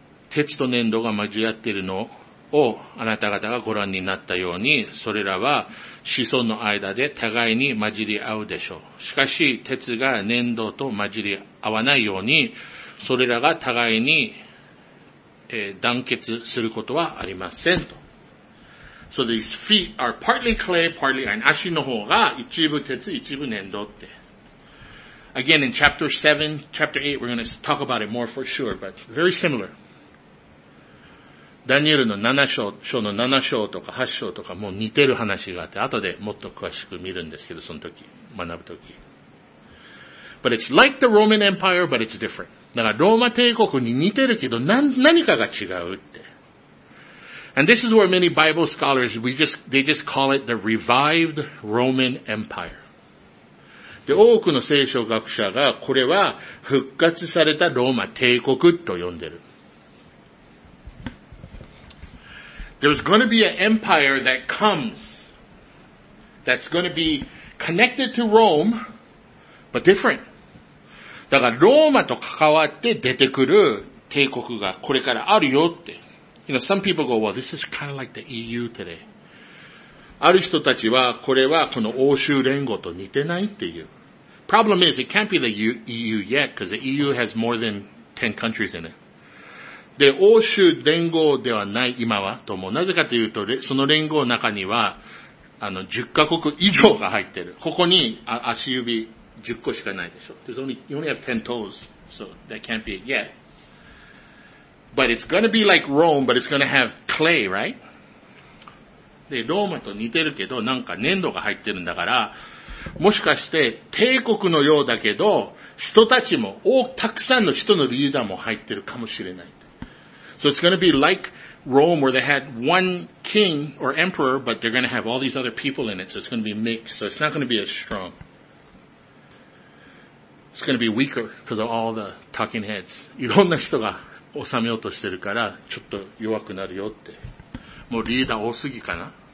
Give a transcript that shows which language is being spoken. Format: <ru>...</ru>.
<ja>鉄と粘土が混じり合っているのを、あなた方がご覧になったように、それらは、子孫の間で互いに混じり合うでしょう。しかし、鉄が粘土と混じり合わないように、それらが互いに、団結することはありません。と。</ja> <en>So these feet are partly clay, partly iron.</en> <ja>足の方が一部鉄、一部粘土って。</ja> <en>Again, in chapter 7, chapter 8, we're going to talk about it more for sure, but very similar.</en> <ja>ダニエルの章の7章とか8章とかもう似てる話があって、後でもっと詳しく見るんですけど、その時、学ぶ時。</ja> <en>But it's like the Roman Empire, but it's different.</en> <ja>だからローマ帝国に似てるけど、何かが違うって。</ja> <en>And this is where many Bible scholars, they just call it the revived Roman Empire.</en> <ja>で、多くの聖書学者がこれは復活されたローマ帝国と呼んでる。</ja> <en>There's going to be an empire that comes that's going to be connected to Rome, but different.</en> <ja>だからローマと関わって出てくる帝国がこれからあるよって。</ja> <en>You know, some people go, well, this is kind of like the EU today.</en> <ja>ある人たちはこれはこの欧州連合と似てないっていう。</ja> <en>Problem is, it can't be the EU yet because the EU has more than 10 countries in it.</en> <ja>で、欧州連合ではない今はと思う。なぜかというと、その連合の中には、10カ国以上が入ってる。ここに足指10個しかないでしょ。</ja> <en>You only have 10 toes, so that can't be it yet. But it's gonna be like Rome, but it's gonna have clay, right?</en> <ja>で、ローマと似てるけど、なんか粘土が入ってるんだから、もしかして帝国のようだけど、人たちも、たくさんの人のリーダーも入ってるかもしれない。</ja> <en>So it's gonna be like Rome where they had one king or emperor, but they're gonna have all these other people in it, so it's gonna be mixed, so it's not gonna be as strong. It's gonna be weaker because of all the talking heads.</en> <ja>いろんな人が治めようとしてるから、ちょっと弱くなるよって。もうリーダー多すぎかな?</ja>